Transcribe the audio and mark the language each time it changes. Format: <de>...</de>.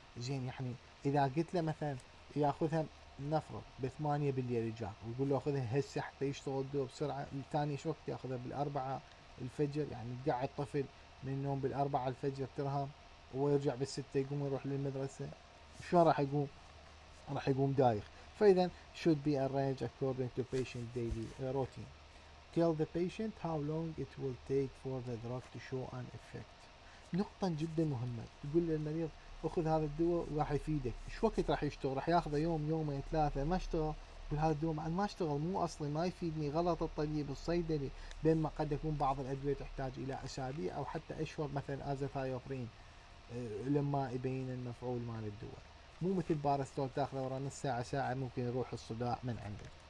<ar>زين يعني اذا قلت له مثلا ياخذها نفرض بثمانية بالليل الجاي، ويقول له اخذها هسه حتى يشتغل الدور بسرعه، الثاني شو وقت ياخذها؟ بالاربعه الفجر، يعني تقعد الطفل من النوم بالاربعه الفجر ترهم ويرجع بالستة يقوم يروح للمدرسة، شو راح يقوم؟ راح يقوم دايخ. فإذا</ar> <en>should be arranged according to patient daily routine. Tell the patient how long it will take for the drug to show an effect.</en> <ar>نقطة جدا مهمة، تقول للمريض أخذ هذا الدواء وراح يفيدك، شو وقت راح يشتغل؟ راح ياخذه يوم يومين ثلاثة ما اشتغل، يقول هذا الدواء ما اشتغل، مو أصلي ما يفيدني، غلط الطبيب الصيدلي، بينما قد يكون بعض الأدوية تحتاج إلى أسابيع أو حتى أشهر، مثلا أزاثيوبرين لما يبين المفعول مال الدواء، مو مثل باراستول تاخذه ورا نص ساعه ساعه ممكن يروح الصداع من عندك.</ar>